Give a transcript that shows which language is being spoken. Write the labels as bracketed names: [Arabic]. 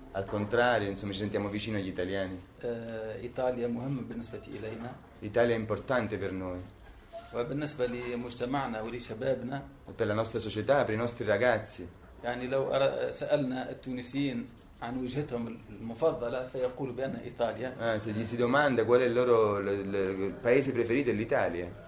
[Italian] Al contrario insomma ci sentiamo vicino agli italiani. [Arabic] إيطاليا مهمة بالنسبة إلينا. [Italian] L'Italia è importante per noi. [Arabic] وبالنسبة لمجتمعنا ولشبابنا. [Italian] Per la nostra società, per i nostri ragazzi. [Arabic] يعني لو سألنا التونسيين عن وجهتهم المفضلة سيقولوا بأن إيطاليا. [Italian] Se gli si domanda qual è il loro il paese preferito è l'Italia.